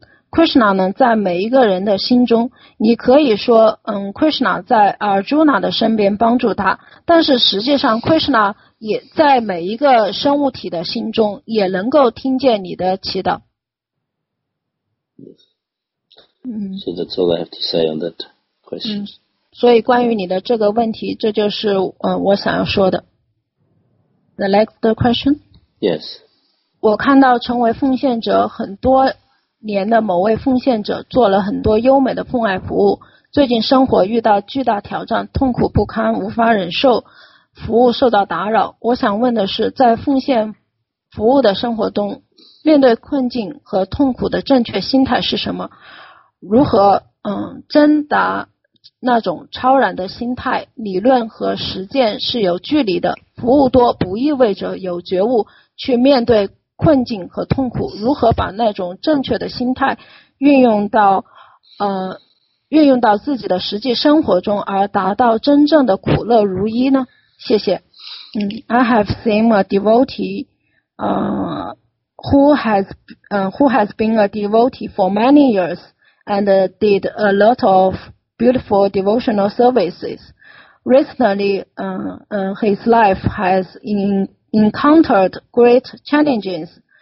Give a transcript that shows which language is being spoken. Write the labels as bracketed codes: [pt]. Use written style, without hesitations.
[zh] Krishna 呢，在每一个人的心中，你可以说，Krishna 在 Arjuna 的身边帮助他，但是实际上 Krishna 也在每一个生物体的心中，也能够听见你的祈祷。 [en] So that's all I have to say on that question. [zh] 所以关于你的这个问题，这就是我想要说的。 [en] The next question? Yes. [zh] 我看到成为奉献者很多年的某位奉献者做了很多优美的奉爱服务，最近生活遇到巨大挑战，痛苦不堪，无法忍受，服务受到打扰。我想问的是，在奉献服务的生活中，面对困境和痛苦的正确心态是什么？如何挣扎那种超然的心态？理论和实践是有距离的，服务多不意味着有觉悟去面对困境和痛苦。如何把那种正确的心态运用到运用到自己的实际生活中，而达到真正的苦乐如一呢？谢谢。 [en] I have seen a devotee who has been a devotee for many years and did a lot of beautiful devotional services. Recently, his life has encountered great challenges.